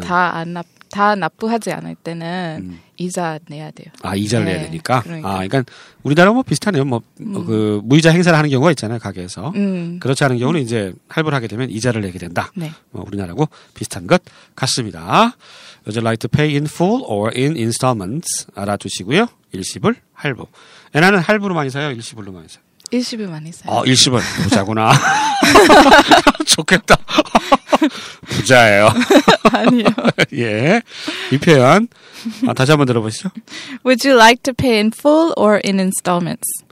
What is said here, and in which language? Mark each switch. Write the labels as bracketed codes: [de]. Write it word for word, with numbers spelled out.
[ko] 다안납다 납부하지 않을 때는 음. 이자 내야 돼요. 아, 이자를 네, 내야 되니까. 그러니까. 아, 그러니까 우리나라 뭐 비슷하네요. 뭐, 어, 그, 무이자 행사를 하는 경우가 있잖아요. 가게에서. 음, 그렇지 않은 경우는 이제 할부를 하게 되면 이자를 내게 된다. 네. 뭐 우리나라하고 비슷한 것 같습니다. [en] Would you like to pay in full or in installments? [ko] 알아두시고요. 일시불, 할부. 애나는 할부로 많이 사요? 일시불로 많이 사요? 일시불 많이 써요. 어, 일시불. 부자구나. 좋겠다. 부자예요. 아니요. 예. 이 표현. 아, 다시 한번 들어보시죠. [en] Would you like to pay in full or in installments?